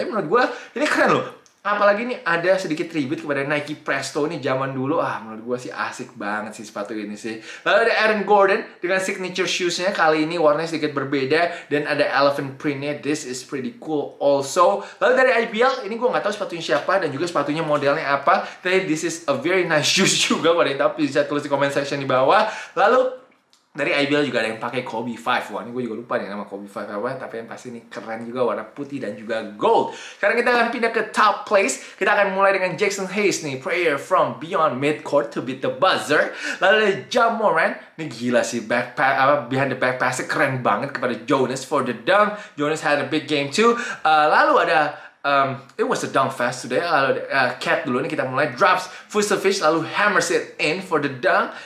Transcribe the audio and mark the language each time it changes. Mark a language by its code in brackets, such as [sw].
[id] Tapi menurut gue ini keren loh. Apalagi ini ada sedikit tribute kepada Nike Presto ini zaman dulu. Ah, menurut gue sih asik banget sih sepatu ini sih. Lalu ada Aaron Gordon dengan signature shoes-nya. Kali ini warnanya sedikit berbeda. Dan ada elephant print-nya. [en] This is pretty cool also. [id] Lalu dari IBL, ini gue gak tahu sepatunya siapa dan juga sepatunya modelnya apa. Tapi [en] this is a very nice shoes [id] juga. Kalau yang tahu bisa tulis di comment section di bawah. Lalu dari IBL juga ada yang pakai Kobe 5. Wah, ini gue juga lupa nih nama Kobe 5 apa. Tapi yang pasti ini keren juga, warna putih dan juga gold. Sekarang kita akan pindah ke top place. Kita akan mulai dengan Jackson Hayes nih. [en] Prayer from beyond midcourt to beat the buzzer. [id] Lalu ada Ja Morant. Ini gila sih, behind the back pass-nya keren banget kepada Jonas [en] for the dunk. Jonas had a big game too. [id] Lalu ada [en] it was a dunk fest today. [id] Lalu Cat dulu nih kita mulai. [en] Drops Vucevic, lalu hammers it in for the dunk.